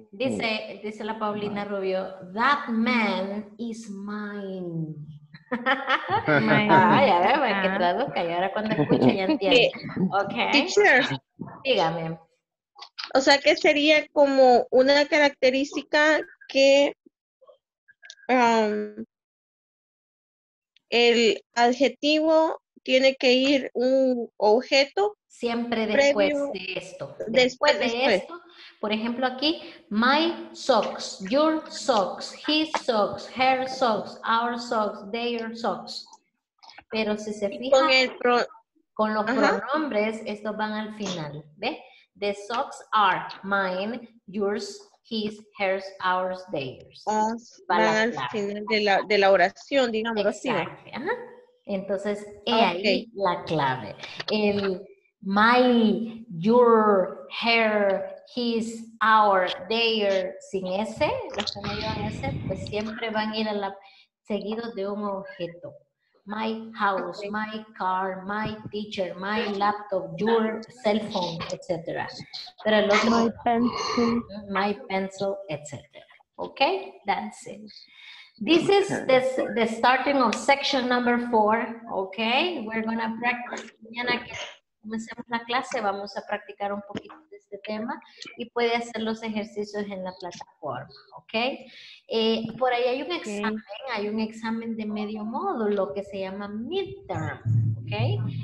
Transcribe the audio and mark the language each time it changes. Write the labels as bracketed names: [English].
[Spanish] Dice la Paulina Rubio, [English] that man is mine. [Spanish] Ay, a ver, que traduzca, y ahora cuando escucha ya entiende. [English] Okay. Teacher. [Spanish] Dígame. O sea, que sería como una característica que el adjetivo tiene que ir un objeto. Siempre después previo, de esto. Después. Esto, por ejemplo aquí, [English] my socks, your socks, his socks, her socks, our socks, their socks. [Spanish] Pero si se fija, con los pronombres, estos van al final, ¿ve? [English] The socks are mine, yours, his, hers, ours, theirs. [Spanish] Para al final de la oración, digamos así. Entonces, ahí la clave. El my, your, her, his, our, their, sin ese, los que no llevan ese, pues siempre van a ir a la, seguidos de un objeto. [English] My house, my car, my teacher, my laptop, your cell phone, etc. [Spanish] Pero el otro, [English] my pencil, etc. Okay, that's it. This is the starting of section number four. Okay, we're gonna practice. [Spanish] Mañana que comencemos la clase, vamos a practicar un poquito de este tema y puede hacer los ejercicios en la plataforma. Okay. Por ahí hay un examen, hay un examen de medio módulo que se llama midterm. Okay.